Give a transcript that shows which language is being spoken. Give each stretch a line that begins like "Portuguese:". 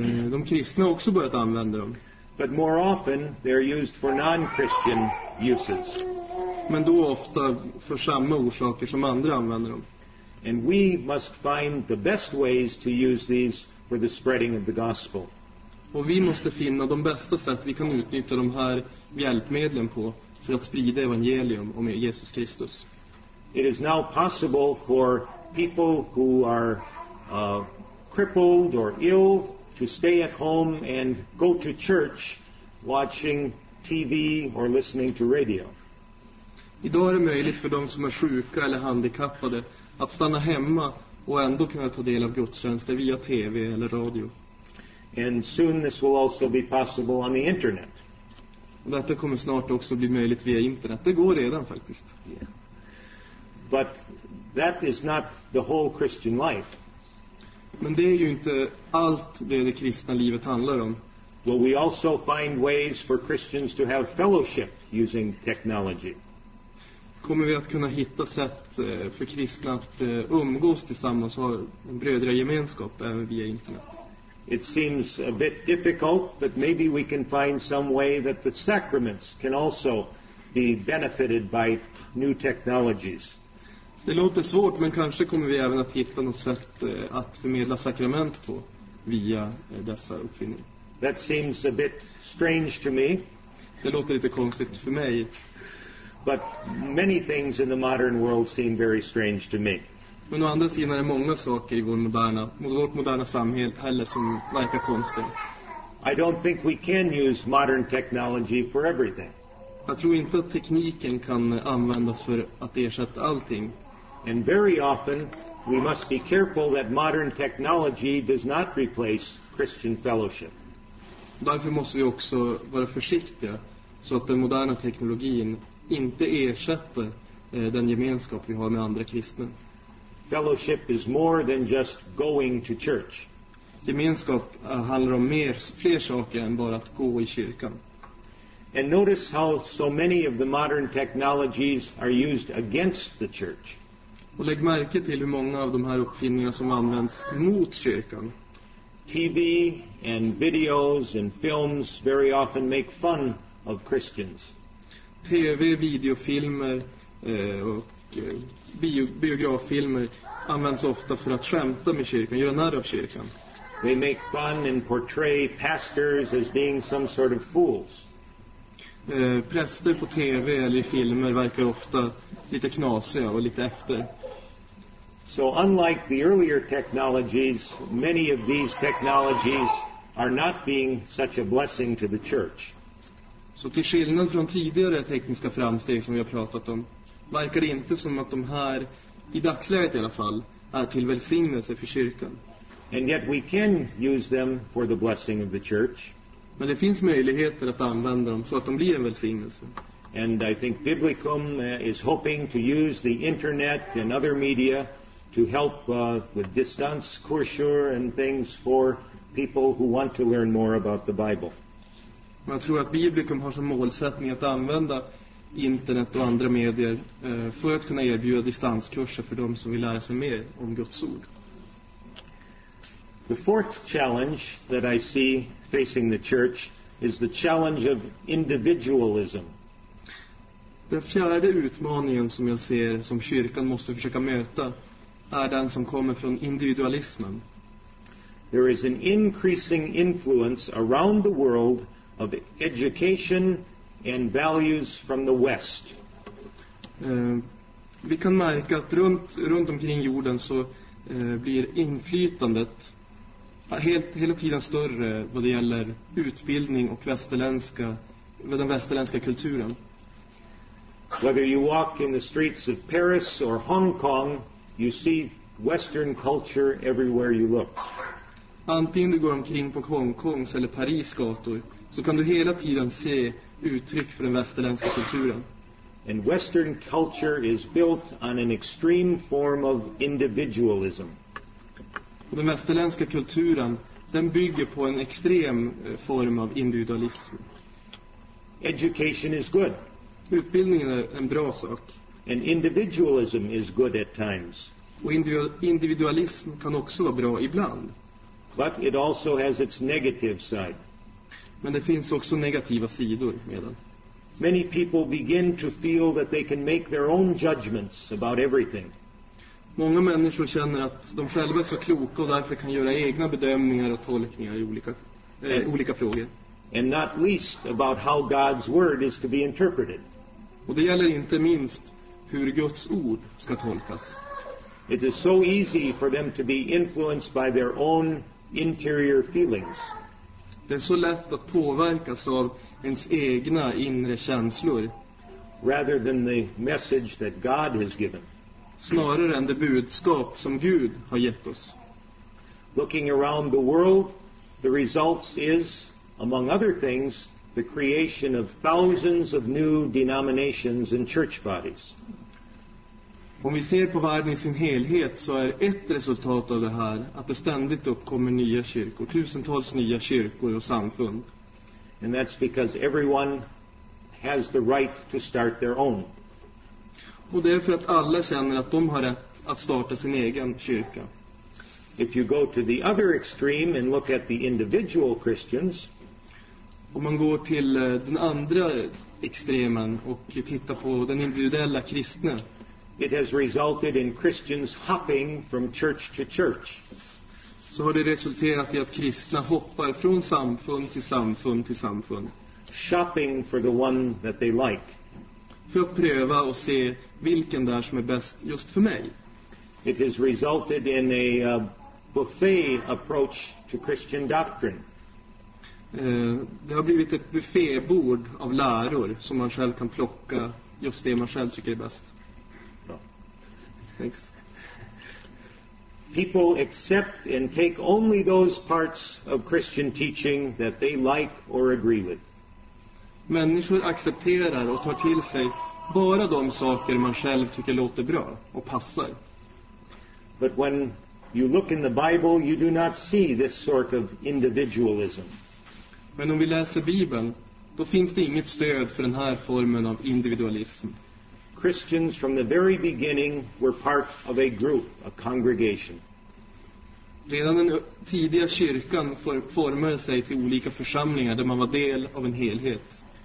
Swedish: De kristna också börjat använda dem.
English: But more often they're used for non-Christian uses.
Swedish: Men då ofta för samma orsaker som andra använder dem.
English: And we must find the best ways to use these for the spreading of the gospel.
Swedish: Och vi måste finna de bästa sätt vi kan utnyttja de här hjälpmedlen på för att sprida evangelium om Jesus Kristus.
English: It is now possible for people who are crippled or ill to stay at home and go to church watching TV or listening to radio.
Swedish: Idag är det möjligt för de som är sjuka eller handikappade att stanna hemma och ändå kunna ta del av gudstjänster via TV eller radio.
English: And soon this will also be possible on the internet.
Swedish: Och detta kommer snart också bli möjligt via internet. Det går redan faktiskt.
English: Yeah. But that is not the whole Christian life.
Swedish: Men det är ju inte allt det kristna livet handlar om.
English: Well, we also find ways for Christians to have fellowship using technology.
Swedish: Kommer vi att kunna hitta sätt för kristna att umgås tillsammans och ha en brödragemenskap även via internet?
English: It seems a bit difficult, but maybe we can find some way that the sacraments can also be benefited by new technologies.
Swedish: Det låter svårt, men kanske kommer vi även att hitta något sätt att förmedla sakrament på via dessa uppfinningar.
English: That seems a bit strange to me.
Swedish: Det låter lite konstigt för mig.
English: But many things in the modern world seem very strange to me.
Swedish: Men å andra sidan är det många saker i vårt moderna samhälle som verkar konstigt.
English: I don't think we can use modern technology for everything.
Swedish: Jag tror inte att tekniken kan användas för att ersätta allting.
English: And very often we must be careful that modern technology does not replace Christian fellowship.
Swedish: Därför måste vi också vara försiktiga så att den moderna teknologin inte ersätter den gemenskap vi har med andra kristna.
English: Fellowship is more than just going to church.
Swedish: Gemenskap handlar om fler saker än bara att gå i kyrkan.
English: And notice how so many of the modern technologies are used against the church.
Swedish: Och lägg märke till hur många av de här uppfinningarna som används mot kyrkan.
English: TV and videos and films very often make fun of Christians.
Swedish: TV, videofilmer och biograffilmer används ofta för att skämta med kyrkan, göra narr av kyrkan.
English: They make fun and portray pastors as being some sort of fools.
Swedish: Präster på TV eller i filmer verkar ofta lite knasiga och lite efter.
English: So unlike the earlier technologies, many of these technologies are not being such a blessing to the church.
Swedish: Så till skillnad från tidigare tekniska framsteg som vi har pratat om, verkar det inte som att de här, i dagsläget i alla fall, är till välsignelse för kyrkan.
English: And yet we can use them for the blessing of the church.
Swedish: Men det finns möjligheter att använda dem så att de blir en välsignelse.
English: And I think Biblicum is hoping to use the internet and other media to help with distance courseware and things for people who want to learn more about the Bible.
Swedish: Men jag tror att Biblicum har som målsättning att använda internet och andra medier för att kunna erbjuda distanskurser för de som vill lära sig mer om Guds ord.
English: The fourth challenge that I see facing the church is the challenge of individualism.
Swedish: Den fjärde utmaningen som jag ser som kyrkan måste försöka möta är den som kommer från individualismen.
English: there is an increasing influence around the world of education and values from the West.
Swedish: Vi kan märka att runt omkring jorden så blir inflytandet hela tiden större vad det gäller utbildning och den västerländska kulturen.
English: Whether you walk in the streets of Paris or Hong Kong, you see Western culture everywhere you look.
Swedish: Antingen du går omkring på Hong Kongs eller Paris gator, så kan du hela tiden se uttryck för den västerländska kulturen.
English: And Western culture is built on an extreme form of individualism.
Swedish: Och den västerländska kulturen, den bygger på en extrem form av individualism.
English: Education is good.
Swedish: Utbildningen är en bra sak.
English: And individualism is good at times.
Swedish: Och individualism kan också vara bra ibland.
English: But it also has its negative side.
Swedish: Men det finns också negativa sidor med den.
English: Many people begin to feel that they can make their own judgments about everything.
Swedish: Många människor känner att de själva är så kloka och därför kan göra egna bedömningar och tolkningar i olika frågor.
English: And not least about how God's word is to be interpreted.
Swedish: Och det gäller inte minst hur Guds ord ska tolkas.
English: It is so easy for them to be influenced by their own interior feelings.
Swedish: Det är så lätt att påverkas av ens egna inre känslor.
English: Rather than the message that God has given.
Swedish: Snarare än det budskap som Gud har gett oss.
English: Looking around the world, the results is, among other things, the creation of thousands of new denominations and church bodies.
Swedish: Om vi ser på världen i sin helhet så är ett resultat av det här att det ständigt uppkommer nya kyrkor, tusentals nya kyrkor och samfund.
English: And that's because everyone has the right to start their own.
Swedish: Och det är för att alla känner att de har rätt att starta sin egen kyrka.
English: If you go to the other extreme and look at the individual Christians.
Swedish: Om man går till den andra extremen och tittar på den individuella kristna.
English: It has resulted in Christians hopping from church to church.
Swedish: Så har det resulterat i att kristna hoppar från samfund till samfund till samfund.
English: Shopping for the one that they like.
Swedish: För att pröva och se vilken där som är bäst just för mig.
English: It has resulted in a buffet approach to Christian doctrine.
Swedish: Det har blivit ett buffébord av läror som man själv kan plocka just det man själv tycker är bäst.
English: Thanks. People accept and take only those parts of Christian teaching that they like or agree with.
Swedish: Människor accepterar och tar till sig bara de saker man själv tycker låter bra och passar.
English: But when you look in the Bible, you do not see this sort of individualism.
Swedish: Men om vi läser Bibeln, då finns det inget stöd för den här formen av individualism.
English: Christians from the very beginning were part of a group, a congregation.
Swedish: Redan den tidiga kyrkan formade sig till olika församlingar där man var del av en helhet.